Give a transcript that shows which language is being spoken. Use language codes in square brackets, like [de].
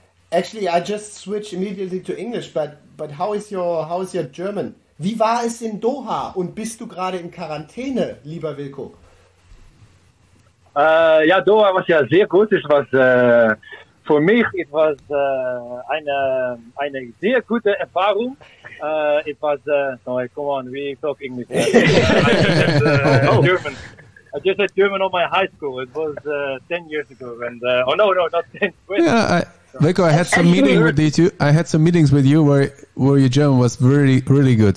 [en] Actually, I just switched immediately to English, but how is your German? [de] Wie war es in Doha und bist du gerade in Quarantäne, lieber Wilco? Ja, Doha war ja sehr gut. Es war für mich eine sehr gute Erfahrung. [en] It was sorry, come on, we talk English. Yeah. German. I just had German on my high school. It was 10 years ago, and not 10. 20. Yeah, Wilco, I had some meetings with you. I had some meetings with you where your German was really, really good.